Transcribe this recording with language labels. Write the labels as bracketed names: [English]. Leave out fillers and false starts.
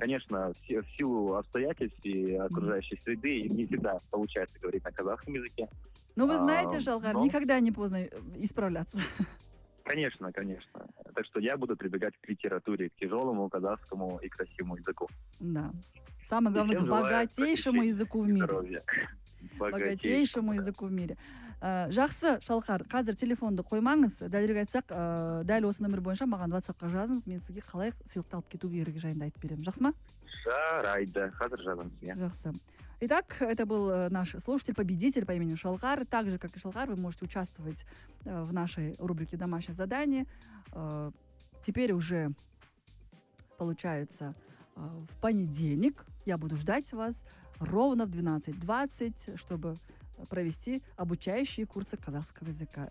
[Russian] Конечно, в силу обстоятельств и окружающей среды не всегда получается говорить на казахском языке. Но вы знаете, Шалкар, никогда не поздно исправляться. Конечно. Так что я буду прибегать к литературе, к тяжелому казахскому и красивому языку. Да. Самое главное, к богатейшему языку в мире. Богатейшему языку в мире. [Kazakh] Жақсы, Шалқар, қазір телефонды қоймаңыз. Дәлірек айтсақ, дәл осы номер бойынша маған WhatsApp-қа жазыңыз. Мен сізге қалай сыйлықты алып кету керек жайында айтып беремін. Жақсы ма? Жарайды. Қазір жазамыз. Жақсы. [Russian] Итак, это был наш слушатель-победитель по имени Шалкар. Так же, как и Шалкар, вы можете участвовать в нашей рубрике «Домашнее задание». Теперь уже, получается, в понедельник я буду ждать вас ровно в 12:20, чтобы провести обучающие курсы казахского языка.